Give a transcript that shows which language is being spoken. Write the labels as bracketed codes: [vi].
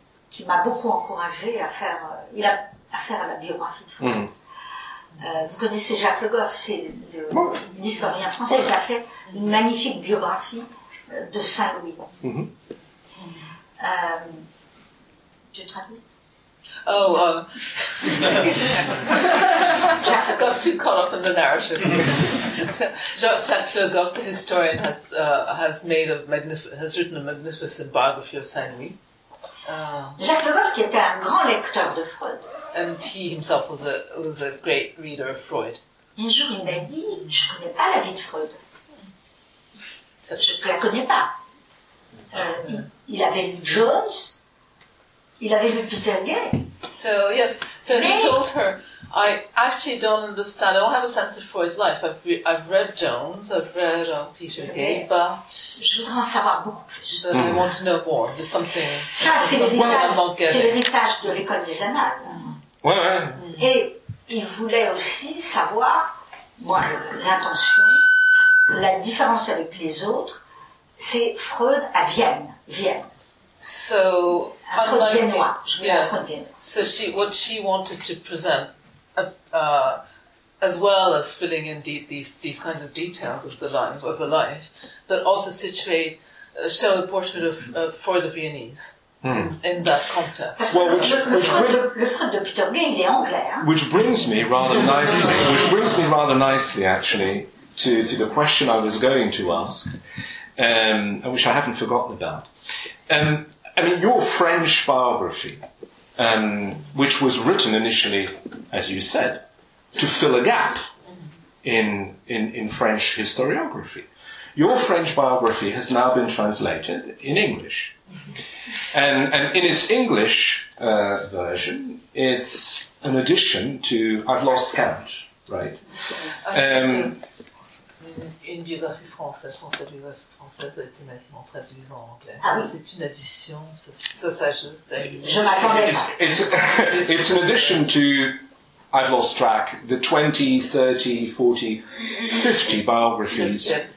[fr] Qui m'a beaucoup encouragé à faire la biographie de Foucault. Vous connaissez Jacques Le Goff, c'est l'historien français qui a fait une magnifique biographie de Saint-Louis. Mm-hmm. Tu traduis? [en] Oh, I got too caught up in the narrative. Jacques Le Goff, the historian, has written a magnificent biography of Saint-Louis. [fr] Jacques Le Goff, qui était un grand lecteur de Freud. [en] And he himself was a great reader of Freud. [fr] Un jour, il m'a dit, je ne connais pas la vie de Freud. Je ne la connais pas. Il avait lu Jones. Il avait lu Peter Gay. [en] So, yes. So he told her, I actually don't understand. I don't have a sense of Freud's life. I've read Jones. I've read Peter Gay. But [fr] je voudrais en savoir beaucoup plus. [en] But I want to know more. There's something. [fr] Ça, c'est l'héritage de l'école des annales. Ouais. Et il voulait aussi savoir, moi, l'intention, la différence avec les autres, c'est Freud à Vienne. [en] So, [fr] Freud viennois. Je voulais Freud viennois. [en] So what she wanted to present, as well as filling in these kinds of details of the life, but also situate, show a portrait of Freud of Viennese. In that context. [fr] Well, Freud de Peter Gay, il est anglais. Hein? [en] Which brings me rather nicely, actually, to the question I was going to ask, which I haven't forgotten about. I mean, your French biography, which was written initially, as you said, to fill a gap in French historiography. Your French biography has now been translated in English. And in its English version, it's an addition to, I've lost count, right? [fr] Une biographie française, mon biographie française a été maintenant traduite en anglais. Ah oui. C'est une addition, ça s'ajoute. Je m'attendais pas. [en] It's an addition to, I've lost track, the 20, 30, 40, 50 biographies.